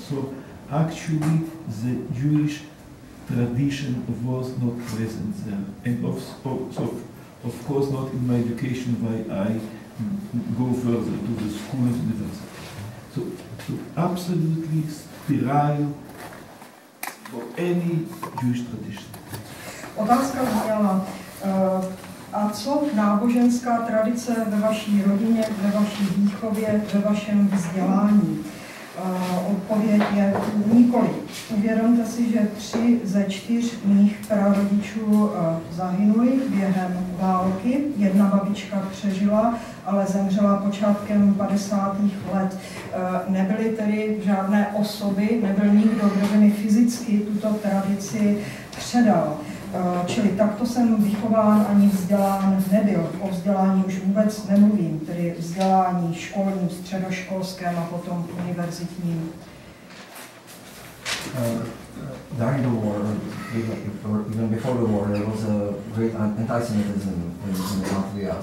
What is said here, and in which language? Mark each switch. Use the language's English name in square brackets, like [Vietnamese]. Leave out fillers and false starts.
[English] So, actually, the Jewish tradition was not present there. And of course, not in my education, why I go further to the school and university. So absolutely sterile for any Jewish tradition. [Czech] Otázka zněla, a co náboženská tradice ve vaší rodině, ve vaší výchově, ve vašem vzdělání? Odpověď je nikoli. Uvědomte si, že tři ze čtyř mých prarodičů zahynuli během války. Jedna babička přežila, ale zemřela počátkem 50. let. Nebyly tedy žádné osoby, nebyl nikdo, kdo by mi fyzicky tuto tradici předal. Čili takto jsem vychován ani vzdělán nebyl. O vzdělání už vůbec nemluvím, tedy vzdělání školním, středoškolském a potom univerzitním. [English] During the war, even before the war, there was a great anti-Semitism in Latvia.